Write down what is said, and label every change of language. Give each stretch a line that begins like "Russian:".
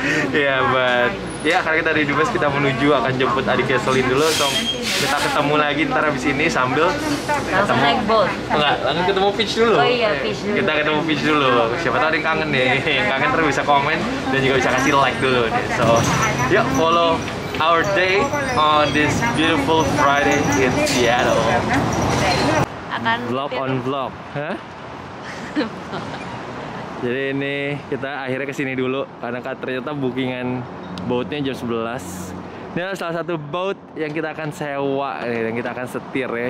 Indonesian: Iya, but ya, karena kita dari Dubes, kita menuju akan jemput adiknya Selin dulu. So, kita ketemu lagi ntar abis ini sambil langsung naik boat. Enggak, langsung ketemu Peach dulu. Oh iya, Peach dulu. Kita ketemu Peach dulu. Siapa tahu ada yang kangen nih. Yang kangen terus bisa komen dan juga bisa kasih like dulu nih.
English: So, yuk follow our day on this beautiful Friday in Seattle.
Indonesian: Akan
English: vlog on vlog, huh?
Indonesian: Jadi ini kita akhirnya kesini dulu karena ternyata bookingan boatnya jam 11. Ini adalah salah satu boat yang kita akan sewa nih, yang kita akan setir ya.